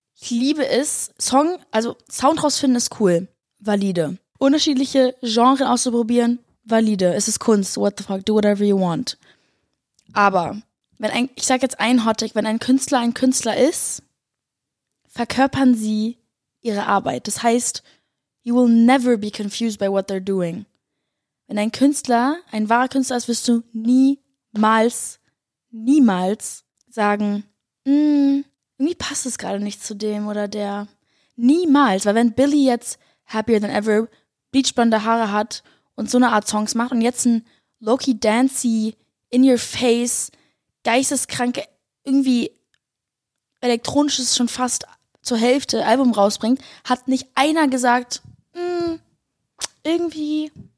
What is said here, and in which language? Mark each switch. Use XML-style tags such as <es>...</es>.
<de>Ich liebe es, Sound rausfinden ist cool, valide. Unterschiedliche Genres auszuprobieren, valide. Es ist Kunst,</de> <en>what the fuck, do whatever you want.</en> <de>Aber, wenn ein Künstler ein Künstler ist, verkörpern sie ihre Arbeit. Das heißt,</de> <en>you will never be confused by what they're doing.</en> <de>Wenn ein Künstler ein wahrer Künstler ist, wirst du niemals, niemals sagen, irgendwie passt es gerade nicht zu dem oder der. Niemals. Weil wenn Billy jetzt happier than ever bleachblonde Haare hat und so eine Art Songs macht und jetzt ein low-key dancey,</de> <en>in your face,</en> <de>geisteskranke, irgendwie elektronisches schon fast zur Hälfte Album rausbringt, hat nicht einer gesagt, irgendwie</de>